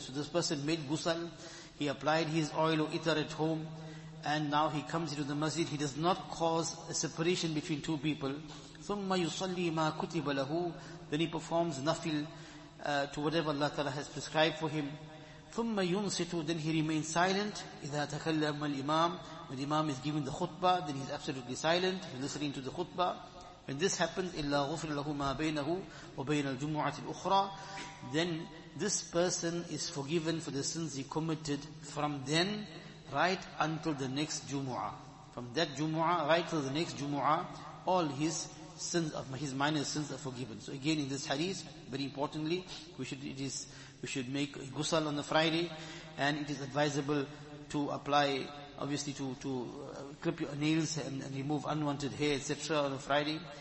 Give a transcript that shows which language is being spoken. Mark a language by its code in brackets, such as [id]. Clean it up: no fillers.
[en] So this person made ghusl, he applied his oil or itar at home, and now he comes into the masjid, he does not cause a separation between two people. [ar] ثُمَّ يُصَلِّي مَا كُتِبَ لَهُ. [en] Then he performs nafil to whatever Allah Ta'ala has prescribed for him. [ar] ثُمَّ يُنْسِتُ. [en] Then he remains silent. [ar] إِذَا تَكَلَّمَ الْإِمَامِ. [en] When the imam is giving the khutbah, then he's absolutely silent, he's listening to the khutbah. When this happens, [ar] إِلَّا غُفْرِ لَهُ مَا بَيْنَهُ وَبَيْنَ الْجُمُعَةِ الْأُخْرَى. [en] Then this person is forgiven for the sins he committed from then right until the next Jumu'ah. From that Jumu'ah right till the next Jumu'ah, all his sins, of his minor sins are forgiven. So again, in this hadith, very importantly, we should make a ghusl on the Friday, and it is advisable to apply, obviously, to clip your nails and remove unwanted hair, etc. on a Friday.